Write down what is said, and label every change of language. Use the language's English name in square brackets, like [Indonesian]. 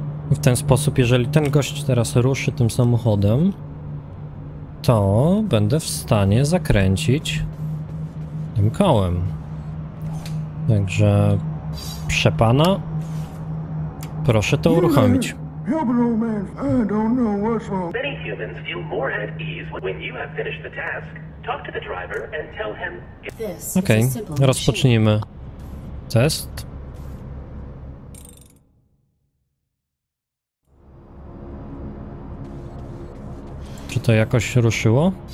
[Polish] W ten sposób, jeżeli ten gość teraz ruszy tym samochodem, to będę w stanie zakręcić tym kołem. Także prze pana, proszę to uruchomić. [English] Help an old man. I don't know what's wrong. Many humans feel more at ease when you have finished the task. Talk to the driver and tell him... [Polish] Okej, okay. Rozpocznijmy test. Czy to jakoś ruszyło?